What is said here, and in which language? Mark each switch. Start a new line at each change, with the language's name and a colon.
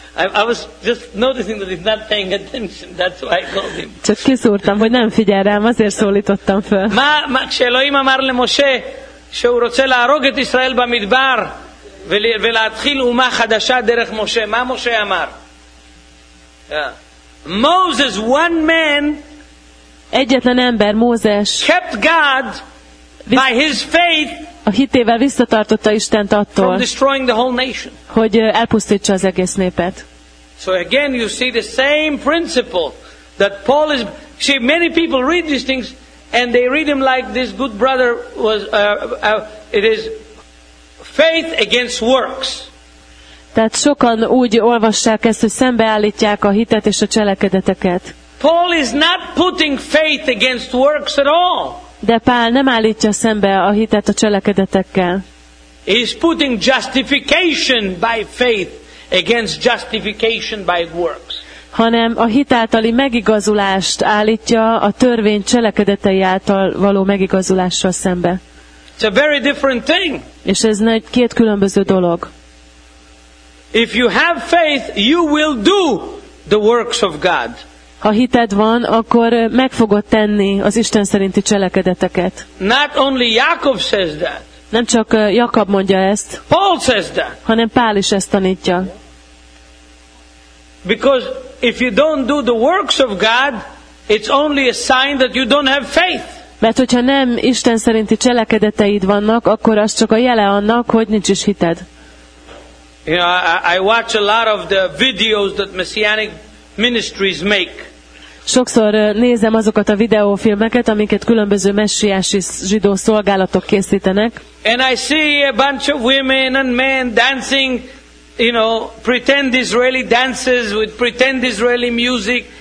English: I was just noticing that he's not paying attention. That's why I called him.
Hungarian: Csak kiszúrtam, hogy nem figyel rám, azért szólítottam föl.
Hebrew: Ma, Elohim amar le Moshe, sheu rotze la'arog et Israel bamidbar. ולהתחיל אומה חדשה דרך משה. מה משה אמר?
English: Moses, one man,
Hungarian: egyetlen ember, Mózes,
English: kept God by his faith,
Hungarian: a hitével visszatartotta Istent attól,
English: from destroying the whole nation,
Hungarian: hogy elpusztítsa az egész népet.
English: So again, you see the same principle that Paul is. See, many people read these things and they read them like this good brother was. It is. Faith against works.
Hungarian: Tehát sokan úgy olvassák ezt, hogy szembeállítják a hitet és a cselekedeteket.
English: Paul is not putting faith against works at all.
Hungarian: De Pál nem állítja szembe a hitet a cselekedetekkel.
English: He is putting justification by faith against justification by works.
Hungarian: Hanem a hit általi megigazulást állítja a törvény cselekedetei által való megigazulással szembe.
English: It's a very different thing.
Hungarian: És ez egy két különböző dolog.
English: If you have faith, you will do the works of God.
Hungarian: Ha hited van, akkor meg fogod tenni az Isten szerinti cselekedeteket.
English: Not only Jakob says that.
Hungarian: Nem csak Jakab mondja ezt.
English: Paul says that.
Hungarian: Hanem Pál is ezt tanítja.
English: Because if you don't do the works of God, it's only a sign that you don't have faith.
Hungarian: Mert hogyha nem Isten szerinti cselekedeteid vannak, akkor az csak a jele annak, hogy nincs is hited.
English: You know, I watch a lot of the videos that messianic ministries make.
Hungarian: Sokszor nézem azokat a videófilmeket, amiket különböző messiási zsidó szolgálatok készítenek.
English: And I see a bunch of women and men dancing, you know, pretend Israeli dances with pretend Israeli music.